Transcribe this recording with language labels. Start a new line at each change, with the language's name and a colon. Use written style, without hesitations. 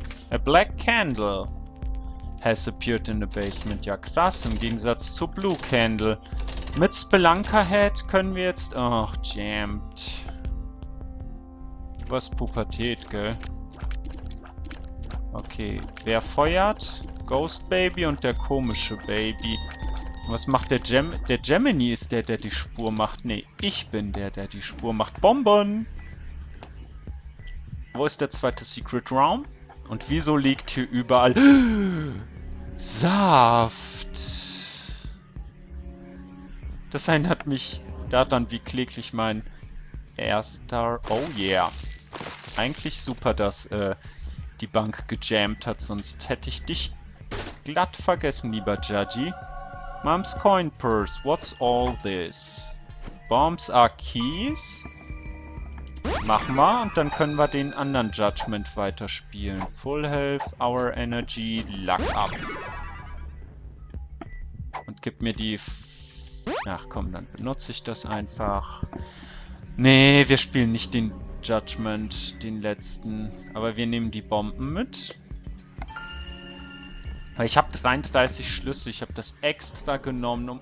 English: A black candle has appeared in the basement.
German: Ja, krass, im Gegensatz zu Blue Candle. Mit Spelunker Head können wir jetzt... Ach, oh, jammed. Was Pubertät, gell? Okay, wer feuert? Ghost Baby und der komische Baby. Was macht der Gem... Der Gemini ist der, der die Spur macht. Nee, ich bin der, der die Spur macht. Bonbon! Wo ist der zweite Secret Room? Und wieso liegt hier überall... Saft! Das erinnert mich daran, wie kläglich mein erster...
English: Oh yeah!
German: eigentlich super, dass die Bank gejammt hat, sonst hätte ich dich glatt vergessen, lieber Judgy.
English: Mom's coin purse, what's all this? Bombs are keys?
German: Mach mal und dann können wir den anderen Judgment weiterspielen.
English: Full health, our energy, luck up.
German: Und gib mir die... Ach komm, dann benutze ich das einfach. Nee, wir spielen nicht den Judgment, den letzten. Aber wir nehmen die Bomben mit. Ich habe 33 Schlüssel, ich habe das extra genommen, um...